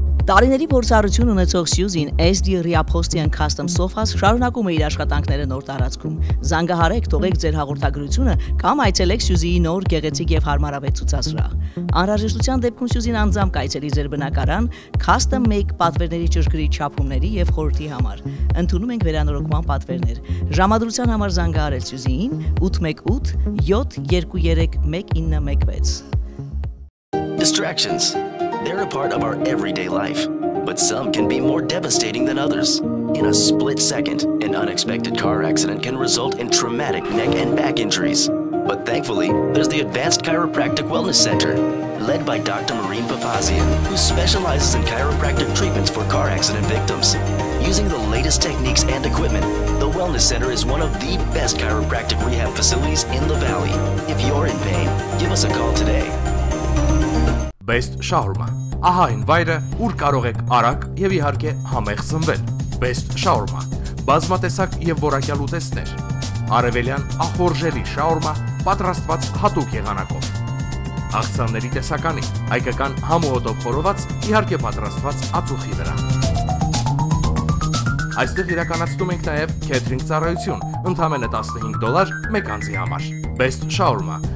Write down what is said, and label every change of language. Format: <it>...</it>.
<hy>Տարիների փորձառություն ունեցող Սյուզին SD Riaphostian Custom Sofas շարունակում է իր աշխատանքները նոր տարածքում։ Զանգահարեք, թողեք ձեր հաղորդագրությունը կամ այցելեք Սյուզիի նոր գեղեցիկ եւ հարմարավետ ցուցասրահ։ Անհրաժեշտության դեպքում Սյուզին անձամբ կայցելի ձեր բնակարան Custom Make պատվերների ճշգրիտ չափումների եւ խորհրդի համար։ Ընդունում ենք վերանորոգման պատվերներ։ Ժամադրության համար զանգահարել Սյուզիին 818-723-1916։</hy> <en>Distractions. They're a part of our everyday life, but some can be more devastating than others. In a split second, an unexpected car accident can result in traumatic neck and back injuries. But thankfully, there's the Advanced Chiropractic Wellness Center, led by Dr. Maureen Papazian, who specializes in chiropractic treatments for car accident victims. Using the latest techniques and equipment, the Wellness Center is one of the best chiropractic rehab facilities in the Valley. If you're in pain, give us a call today. Best Shawarma.</en> <hy>Ահա այն վայրը, ուր կարող եք արագ եւ իհարկե համեղ զնվել։ Best Shawarma. Բազմատեսակ եւ որակյալ ուտեստներ։ Արևելյան ախորժելի շաուրմա, պատրաստված հատուկ եղանակով։ Աղցանների տեսականի, հայկական համուհոտով խորոված, իհարկե պատրաստված ածուխի վրա։ Այստեղ իրականացնում ենք նաեւ քեթրինգ ծառայություն, ընդամենը $15 մեկ անձի համար։ Best Shawarma.</hy>